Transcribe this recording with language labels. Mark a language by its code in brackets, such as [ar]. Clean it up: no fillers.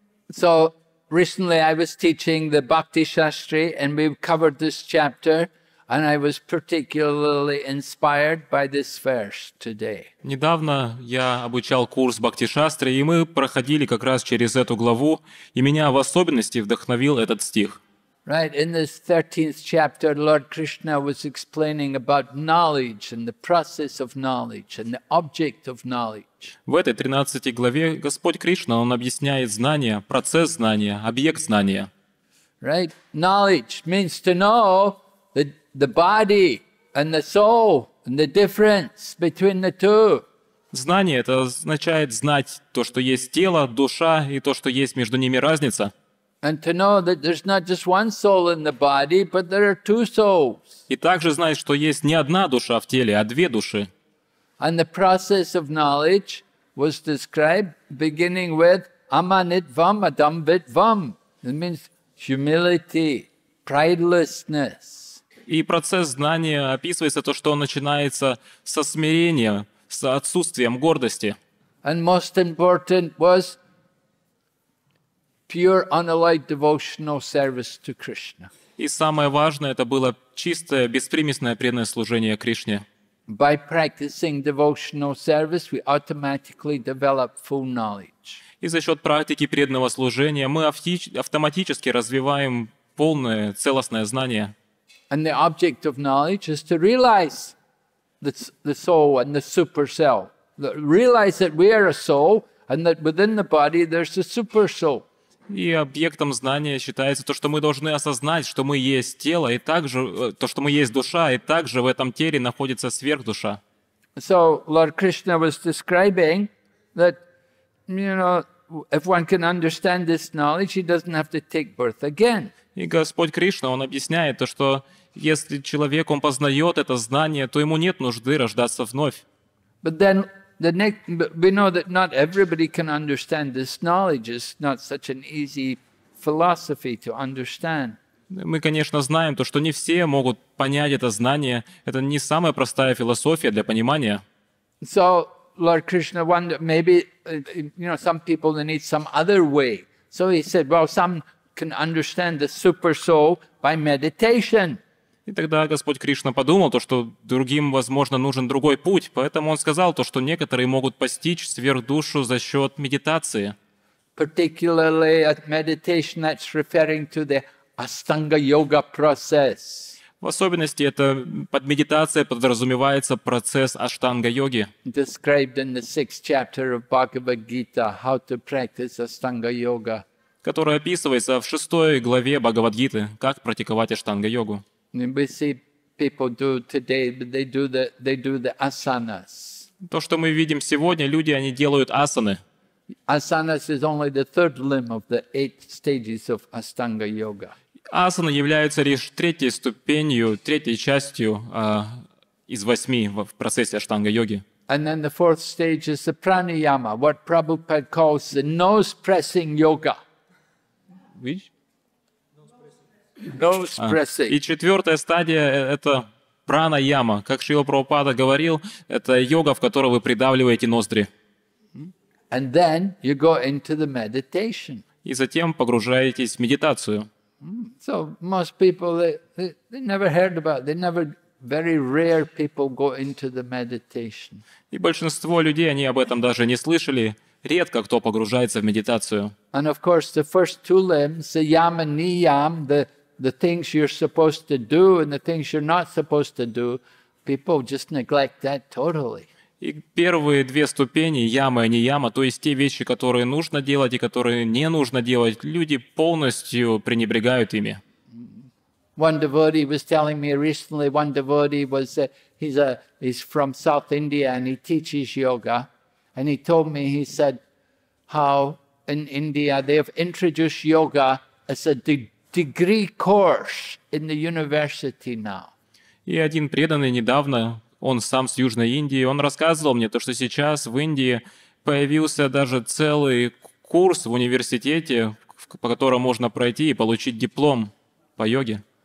[en] So recently I was teaching the Bhakti Shastri and we've covered this chapter and I was particularly inspired by this verse today. [ru] Недавно я обучал курс Бхакти Шастри и мы проходили как раз через эту главу и меня в особенности вдохновил этот стих. [en] Right, in this 13th chapter, Lord Krishna was explaining about knowledge and the process of knowledge and the object of knowledge. [ru] В этой 13 главе Господь Кришна, Он объясняет знания, процесс знания, объект знания. [en] Right, knowledge means to know the body and the soul and the difference between the two. [ru] Знание — это означает знать то, что есть тело, душа и то, что есть между ними разница. [en] And to know that there's not just one soul in the body, but there are two souls. [ru] И также знать, что есть не одна душа в теле, а две души. [en] And the process of knowledge was described beginning with amanitvam, adambitvam. It means humility, pridelessness. [ru] И процесс знания описывается то, что он начинается со смирения, с отсутствием гордости. [en] And most important was pure unalloyed devotional service to Krishna. [ru] И самое важное это было чистое беспримесное преданное служение Кришне. [en] By practicing devotional service, we automatically develop full knowledge. [ru] И за счет практики преданного служения мы автоматически развиваем полное целостное знание. [en] And the object of knowledge is to realize the soul and the super self. Realize that we are a soul and that within the body there's a super soul. [ru] И объектом знания считается то, что мы должны осознать, что мы есть тело, и также то, что мы есть душа, и также в этом теле находится сверхдуша. [en] So Lord Krishna was describing that, you know, if one can understand this knowledge, he doesn't have to take birth again. [ru] И Господь Кришна, Он объясняет то, что если человек, он познает это знание, то ему нет нужды рождаться вновь. [en] But then the next, we know that not everybody can understand this knowledge. It's not such an easy philosophy to understand. [ru] Мы, конечно, знаем то, что не все могут понять это знание. Это не самая простая философия для понимания. [en] So Lord Krishna wondered, maybe you know, some people they need some other way. So he said, well, some can understand the super soul by meditation. [ru] И тогда Господь Кришна подумал то, что другим, возможно, нужен другой путь. Поэтому он сказал то, что некоторые могут постичь сверхдушу за счет медитации. [en] Particularly at meditation, that's referring to the Astanga yoga process. [ru] В особенности это под медитацией подразумевается процесс Аштанга йоги. [en] Described in the sixth chapter of Bhagavad Gita, how to practice Astanga yoga. [ru] Которая описывается в шестой главе Бхагавад Гиты, как практиковать Аштанга йогу. [en] We see people do today, but they do the asanas. [ru] То, что мы видим сегодня, люди они делают асаны. [en] Asanas is only the third limb of the eight stages of Astanga yoga. [ru] Асана является лишь третьей ступенью, третьей частью из восьми в процессе Аштанга йоги. [en] And then the fourth stage is the pranayama, what Prabhupada calls the nose pressing yoga. Which? Nose pressing. [ru] И четвертая стадия – это пранаяма. Как Шрила Прабхупада говорил, это йога, в которой вы придавливаете ноздри. [en] And then you go into the meditation. [ru] И затем погружаетесь в медитацию. [en] So most people they never heard about. They never very rare people go into the meditation. [ru] И большинство людей они об этом даже не слышали. Редко кто погружается в медитацию. [en] And of course, the first two limbs, the yam and niyam, the things you're supposed to do and the things you're not supposed to do, people just neglect that totally. [ru] И первые две ступени, яма и нияма, то есть те вещи, которые нужно делать и которые не нужно делать, люди полностью пренебрегают ими. [en] One devotee was telling me recently, one devotee was, he's from South India and he teaches yoga. And he told me, he said, how in India they have introduced yoga as a degree course in the university now. [ru] И один преданный недавно, он сам с Южной Индии, он рассказывал мне то, что сейчас в Индии появился даже целый курс в университете, по которому можно пройти и получить диплом по йоге.